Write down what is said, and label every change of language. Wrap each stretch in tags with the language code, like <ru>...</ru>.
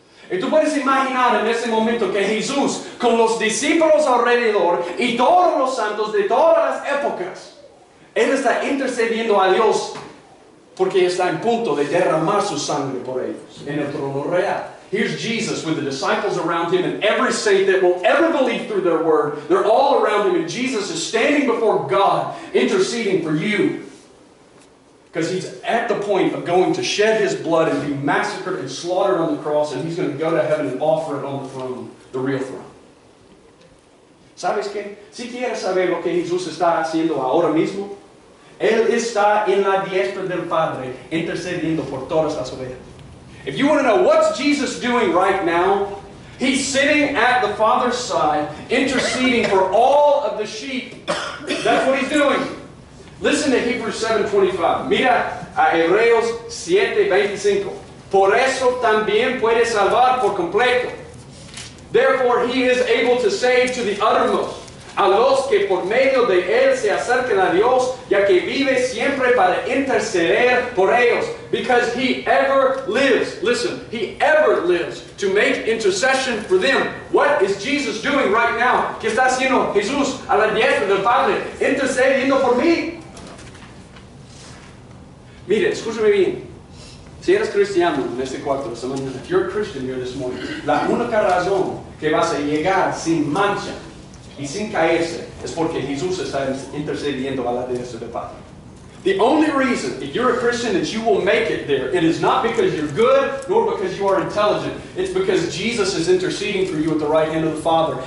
<es>Y tú puedes imaginar en ese momento que Jesús, con los discípulos alrededor y todos los santos de todas las épocas, él está intercediendo a Dios porque está en punto de derramar su sangre por ellos en el trono real.</es> <en>Here's Jesus with the disciples around him and every saint that will ever believe through their word. They're all around him and Jesus is standing before God interceding for you. Because he's at the point of going to shed his blood and be massacred and slaughtered on the cross, and he's going to go to heaven and offer it on the throne, the real throne.</en> <es>¿Sabes qué? Si quieres saber lo que Jesús está haciendo ahora mismo, Él está en la diestra del Padre, intercediendo por todas las ovejas.</es> <en>If you want to know what's Jesus doing right now, He's sitting at the Father's side, interceding for all of the sheep. That's what He's doing. Listen to Hebrews 7:25.</en> <es>Mira a Hebreos 7:25. Por eso también puede salvar por completo.</es> <en>Therefore, He is able to save to the uttermost</en> <es>a los que por medio de Él se acercan a Dios, ya que vive siempre para interceder por ellos.</es> <en>Because He ever lives, listen, He ever lives to make intercession for them. What is Jesus doing right now?</en> <es>¿Qué está haciendo Jesús a la diestra del Padre? Intercediendo por mí. Mire, escúchame bien. Si eres cristiano en este cuarto de esta mañana,</es> <en>if you're a Christian here this morning,</en> <es>la única razón que vas a llegar sin mancha y sin caerse es porque Jesús está intercediendo a la diestra del Padre.</es> <en>The only reason, if you're a Christian, that you will make it there, it is not because you're good, nor because you are intelligent. It's because Jesus is interceding for you at the right hand of the Father.</en>